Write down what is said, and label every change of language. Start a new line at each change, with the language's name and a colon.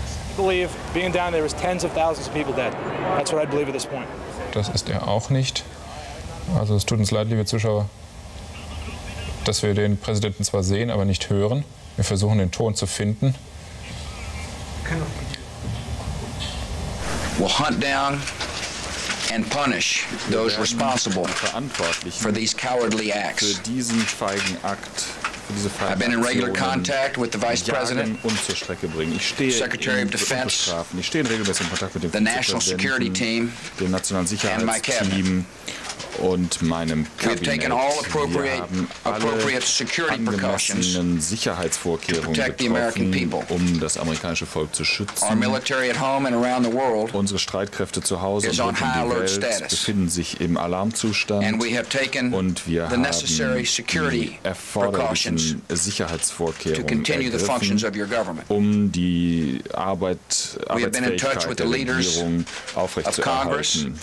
German: Ich glaube,
English: being down there is tens of thousands of people dead. That's what I believe at this point.
German: Das ist er auch nicht. Also es tut uns leid, liebe Zuschauer, dass wir den Präsidenten zwar sehen, aber nicht hören. Wir versuchen, den Ton zu finden.
English: We'll hunt down and punish those responsible for these cowardly acts.
German: Für diesen feigen Akt.
English: I've been in regular contact with the Vice President, Secretary of Defense,
German: ich stehe in regelmäßigem Kontakt mit dem
English: the National Security Team,
German: dem Nationalen Sicherheitsteam und meinem Kabinett.
English: We've taken all appropriate security precautions to protect the American people,
German: um das amerikanische Volk zu schützen.
English: Our military at home and around the world
German: unsere Streitkräfte zu Hause und rund um die Welt befinden sich im Alarmzustand
English: and we have taken
German: und wir
English: the necessary security
German: haben die erforderlichen Sicherheitsvorkehrungen ergriffen, um die Arbeitsfähigkeit der Regierung aufrechtzuerhalten.